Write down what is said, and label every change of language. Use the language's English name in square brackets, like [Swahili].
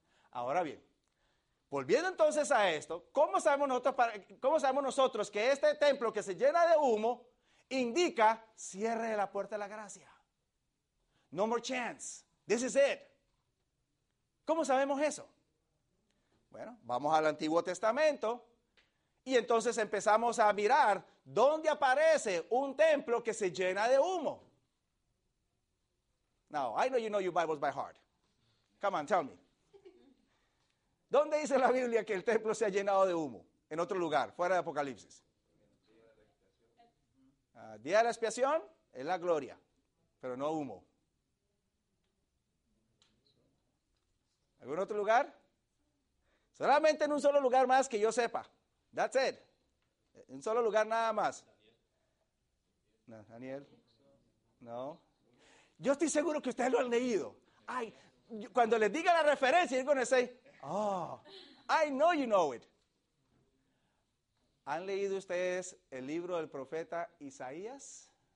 [Spanish] Ahora bien, volviendo entonces a esto, ¿cómo sabemos nosotros que este templo que se llena de humo indica cierre de la puerta de la gracia? [English] No more chance. This is it. [Spanish] ¿Cómo sabemos eso? Bueno, vamos al Antiguo Testamento y entonces empezamos a mirar dónde aparece un templo que se llena de humo. [English] Now, I know you know your Bibles by heart. Come on, tell me. [Spanish] ¿Dónde dice la Biblia que el templo se ha llenado de humo? En otro lugar, fuera de Apocalipsis. Día de la expiación es la gloria, pero no humo. ¿Algún otro lugar? Solamente en un solo lugar más que yo sepa. [English] That's it. [Spanish] En un solo lugar nada más. ¿Daniel? No. Yo estoy seguro que ustedes lo han leído. Ay, cuando les diga la referencia, [English] you're going to say, oh, I know you know it. [Spanish] ¿Han leído ustedes el libro del profeta Isaías?